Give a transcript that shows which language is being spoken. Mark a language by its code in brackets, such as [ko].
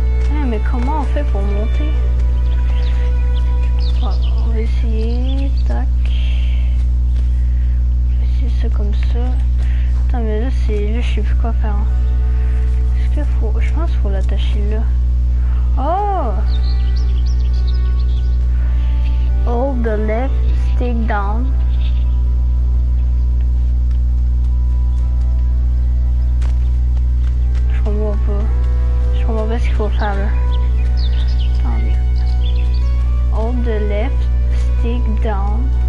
[fr] Ah, mais comment on fait pour monter? Ah, on va essayer. Tac. On va essayer ça comme ça. Attends, mais là, c'est... Là, je sais plus quoi faire. Est-ce que faut... Je pense qu'il faut l'attacher là. Oh! [en] Hold the left stick down. [fr] Je comprends pas. Je comprends pas ce qu'il faut faire là. Attendez. [en] Hold the left stick down.